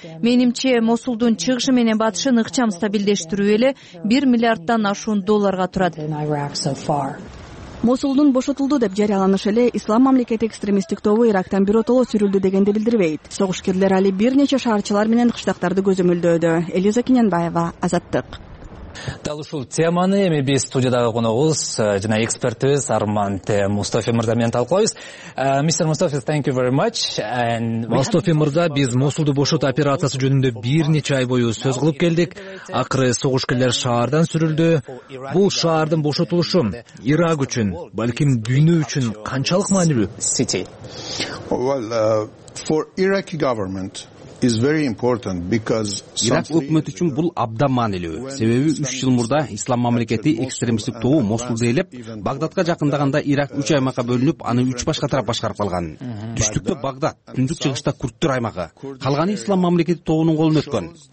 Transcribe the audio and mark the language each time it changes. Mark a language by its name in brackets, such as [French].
[Kyrgyz] Менимче, Мосулдун чыгышы менен батышын ыкчам стабилдештирүү эле 1 миллиарддан ашуун долларга турат. Мосулдун бошотулду деп жарыяланышы эле Ислам мамлекети экстремисттик тобу Ирактан биротоло сүрүлдү дегенди билдирбейт. Согушкерлер али бир нече шаарчалар менен кыштактарды көзөмөлдөдү. Элиза Кененбаева, Азаттык. Дал ушул теманы эми биз студиядагы коногубуз жана экспертибиз Арман Мустафи мырза менен талкуулайбыз. [English] Мистер Мустафи, thank you very much. [Kyrgyz] Мустафи мырза, биз Мосулду бошотуу операциясы жөнүндө бир нече ай бою сөз кылып келдик. Акыры согушкерлер шаардан сүрүлдү. Бул шаардын бошотулушу Ирак үчүн, балким дүйнө үчүн канчалык маанилүү? [English] Well, for Iraqi government is very important because [Kyrgyz] Ирак өкмөт үчүн бул абдан маанилүү. Себеби 3 жыл мурда Ислам мамлекети экстремисттик тобу Мосулду ээлеп, Багдадка жакындаганда Ирак 3 аймакка бөлүнүп, аны 3 башка тарап башкарып алган. Түштүктө Багдад, түндүк чыгышта курдтур аймагы, калганы Ислам мамлекети тобунун колуна өткөн.